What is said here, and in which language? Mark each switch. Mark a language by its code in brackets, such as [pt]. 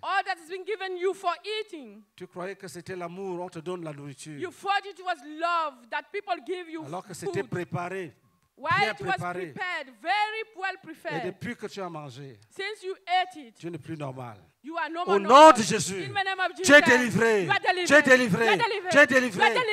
[en] All that has been given you for eating. [fr] Tu croyais que c'était l'amour, on te donne la nourriture. [en] You thought it was love that people give you. [fr] Alors que [en] food. [fr] C'était préparé. [en] While it was prepared, very well prepared. [fr] Et depuis que tu as mangé, [en] since you ate it, [fr] tu n'es plus normal. [en] You are no [fr] Au nom de Jésus, tu es délivré. Tu es délivré. Tu es délivré.